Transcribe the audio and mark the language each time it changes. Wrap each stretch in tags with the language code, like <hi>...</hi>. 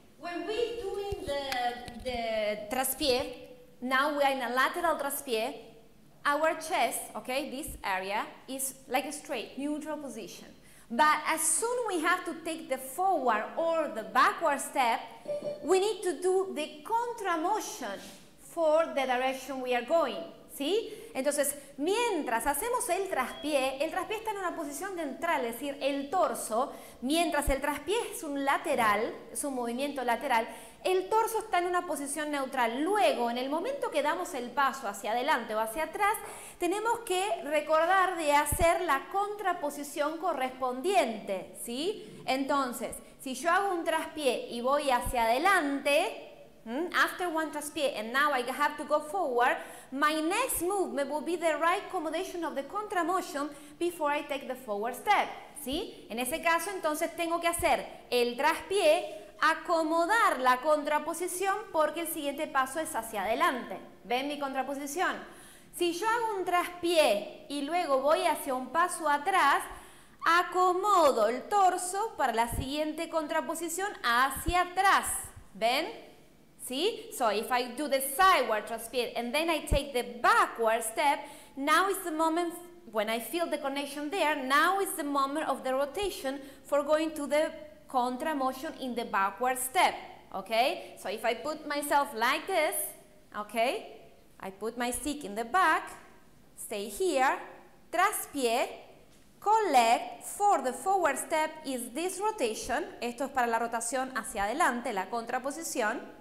<en>When we doing the traspié, now we are in a lateral traspié, our chest, okay, this area, is like a straight, neutral position. But as soon we have to take the forward or the backward step, we need to do the contra motion for the direction we are going, ¿sí?</en> <es>Entonces, mientras hacemos el traspié está en una posición central, es decir, el torso, mientras el traspié es un lateral, es un movimiento lateral, el torso está en una posición neutral. Luego, en el momento que damos el paso hacia adelante o hacia atrás, tenemos que recordar de hacer la contraposición correspondiente, ¿sí? Entonces, si yo hago un traspié y voy hacia adelante,</es> <en>after one traspié, and now I have to go forward, my next movement will be the right accommodation of the contra motion before I take the forward step. ¿Sí?</en> <es>En ese caso, entonces, tengo que hacer el traspié, acomodar la contraposición, porque el siguiente paso es hacia adelante. ¿Ven mi contraposición? Si yo hago un traspié y luego voy hacia un paso atrás, acomodo el torso para la siguiente contraposición hacia atrás. ¿Ven? ¿Sí?</es> <en>So if I do the sideward traspié and then I take the backward step, now is the moment when I feel the connection there, now is the moment of the rotation for going to the contra motion in the backward step. Okay? So if I put myself like this, okay, I put my stick in the back, stay here, traspié, collect for the forward step is this rotation.</en> <es>Esto es para la rotación hacia adelante, la contraposición.</es>